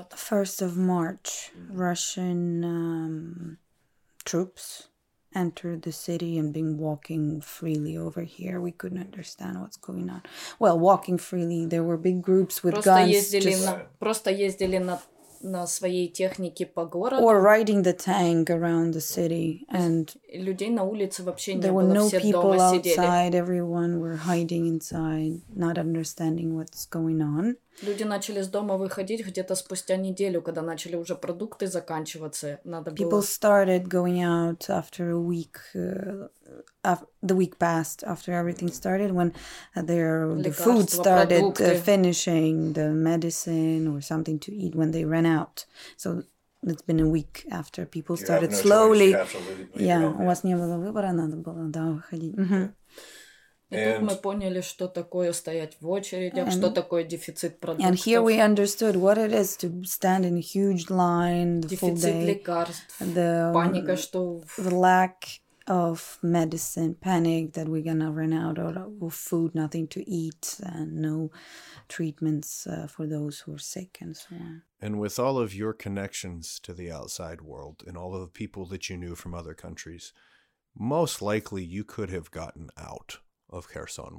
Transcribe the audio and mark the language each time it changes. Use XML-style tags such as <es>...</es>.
<en>First of March, Russian troops entered the city and been walking freely over here. We couldn't understand what's going on. Well, walking freely, there were big groups with guns.</en> <uk>На своїй техніці по городу.</uk> <en>Or riding the tank around the city. And</en> <uk>людей на вулиці взагалі не було, всі вдома сиділи.</uk> <en>Everyone were hiding inside, not understanding what's going on.</en> <uk>Люди почали з дому виходити где-то спустя неділю, коли почали вже продукти закінчуватися. Надо було.</uk> <en>People started going out after a week. The week passed after everything started when the food started finishing, the medicine or something to eat when they ran out. So it's been a week after people started slowly. Yeah,</en> <uk>у вас не було вибору, треба було виходити. І тут ми поняли, що таке стояти в очередях, що таке дефіцит продуктів.</uk> <en>And here we understood what it is to stand in a huge line the full day.</en> <uk>Дефіцит лекарств, паніка, що...</uk> <en>The lack of medicine, panic that we're gonna run out of food, nothing to eat, and no treatments for those who are sick and so on. And with all of your connections to the outside world and all of the people that you knew from other countries, most likely you could have gotten out of Kherson.</en>